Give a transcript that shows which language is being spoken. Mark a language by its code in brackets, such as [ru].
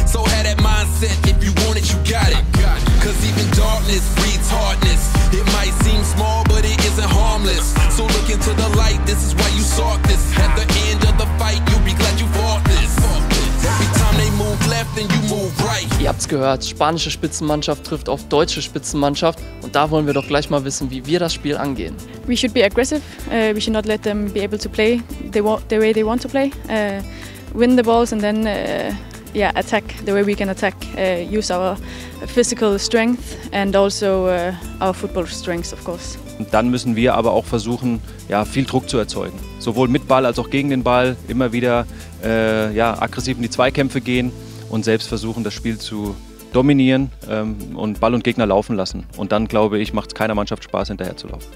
[en] So have that mindset, if you want it, you got it. Cause even darkness breeds hardness. It might seem small, but it isn't harmless. So look into the light, this is why you sought this. At the end of the fight, you'll be glad you fought this. Every time they move left, then you move right. [de] Ihr habt's gehört, spanische Spitzenmannschaft trifft auf deutsche Spitzenmannschaft. Und da wollen wir doch gleich mal wissen, wie wir das Spiel angehen. [en] We should be aggressive. We should not let them be able to play the way they want to play. Win the balls and then attack the way we can attack. Use our physical strength and also our football strengths, of course. [de] Und dann müssen wir aber auch versuchen, ja, viel Druck zu erzeugen. Sowohl mit Ball als auch gegen den Ball. Immer wieder aggressiv in die Zweikämpfe gehen und selbst versuchen, das Spiel zu dominieren und Ball und Gegner laufen lassen. Und dann, glaube ich, macht es keiner Mannschaft Spaß, hinterherzulaufen.